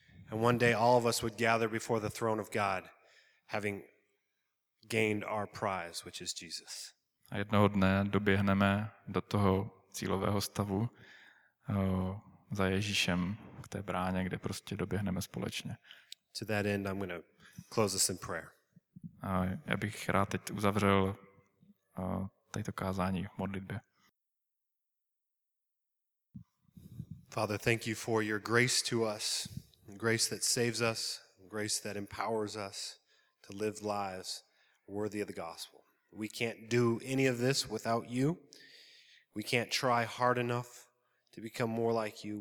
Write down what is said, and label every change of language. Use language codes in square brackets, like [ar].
[en] And one day all of us would gather before the throne of God, having gained our prize, which is Jesus. [cs] A jednoho dne doběhneme do toho cílového stavu za Ježíšem k té bráně, kde prostě doběhneme společně. [en] To that end, I'm going to close us in prayer. [cs] A já bych rád teď uzavřel tady to kázání v modlitbě. [en] Father, thank you for your grace to us, grace that saves us, grace that empowers us to live lives worthy of the gospel. We can't do any of this without you. We can't try hard enough to become more like you.